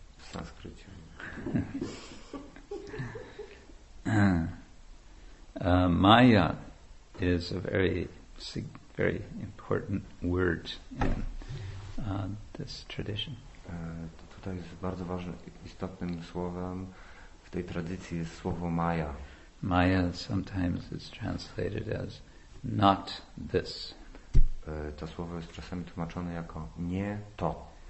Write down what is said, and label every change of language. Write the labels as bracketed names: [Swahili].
[English] Sanskrit. Maya is a very, very important word in this tradition. [Polish] Tutaj jest bardzo ważnym, istotnym słowem w tej tradycji jest słowo Maya. [English] Maya sometimes is translated as not this. [Polish] To słowo jest czasami tłumaczone jako nie to.